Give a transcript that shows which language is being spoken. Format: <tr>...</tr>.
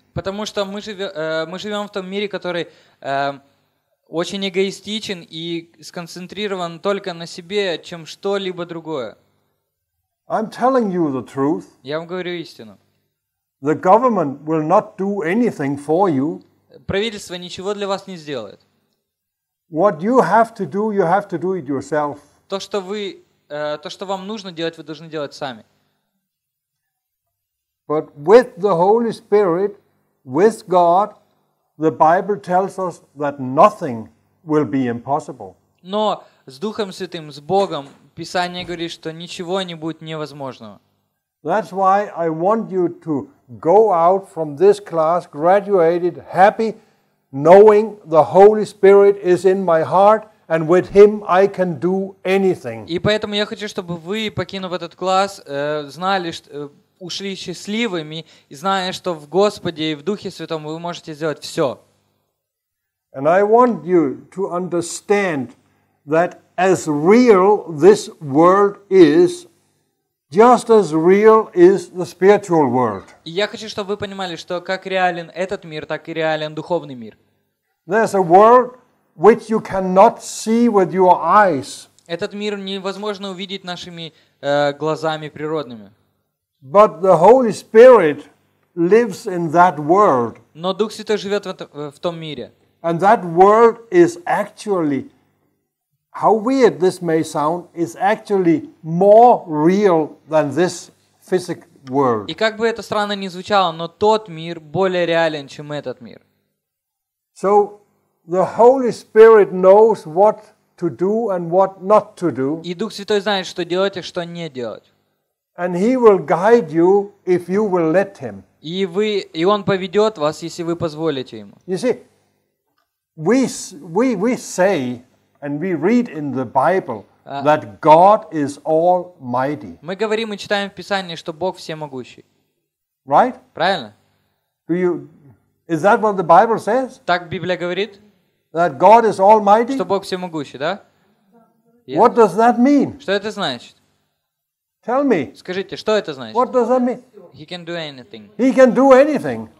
<ru>Потому что мы живем в том мире, который очень эгоистичен и сконцентрирован только на себе, чем что-либо другое.</ru> <en>I'm telling you the truth.</en> <ru>Я вам говорю истину.</ru> <en>The government will not do anything for you.</en> <ru>Правительство ничего для вас не сделает.</ru> <en>What you have to do it yourself.</en> <ru>То, что вам нужно делать, вы должны делать сами.</ru> <en>But with the Holy Spirit, with God, the Bible tells us that nothing will be impossible.</en> <ru>Но с Духом Святым, с Богом, Писание говорит, что ничего не будет невозможного.</ru> <en>That's why I want you to go out from this class, graduated, happy, knowing the Holy Spirit is in my heart, and with Him I can do anything.</en> <ru>И поэтому я хочу, чтобы вы, покинув этот класс, знали, что ушли счастливыми, зная, что в Господе и в Духе Святом вы можете сделать все.</ru> <en>And I want you to understand that as real this world is, Just as real is the spiritual world.</en> <ru>И я хочу, чтобы вы понимали, что как реален этот мир, так и реален духовный мир.</ru> <en>There's a world which you cannot see with your eyes.</en> <ru>Этот мир невозможно увидеть нашими глазами природными.</ru> <en>But the Holy Spirit lives in that world.</en> <ru>Но Дух Святой живет в том мире.</ru> <en>And that world is actually, how weird this may sound, is actually more real than this physical world.</en> <ru>И как бы это странно ни звучало, но тот мир более реален, чем этот мир.</ru> <en>So the Holy Spirit knows what to do and what not to do.</en> <ru>И Дух Святой знает, что делать и что не делать.</ru> <en>And he will guide you if you will let him.</en> <ru>И он поведет вас, если вы позволите ему.</ru> <en>You see, we say and we read in the Bible that God is almighty.</en> <ru>Мы говорим и читаем в Писании, что Бог всемогущий.</ru> <en>Right?</en> <ru>Правильно?</ru> <en>Is that what the Bible says?</en> <ru>Так Библия говорит?</ru> <en>That God is almighty?</en> <ru>Что Бог всемогущий, да?</ru> <en>Yes. What does that mean?</en> <ru>Что это значит?</ru> <en>Tell me.</en> <ru>Скажите, что это значит?</ru> <en>What does that mean? He can do anything. He can do anything.</en>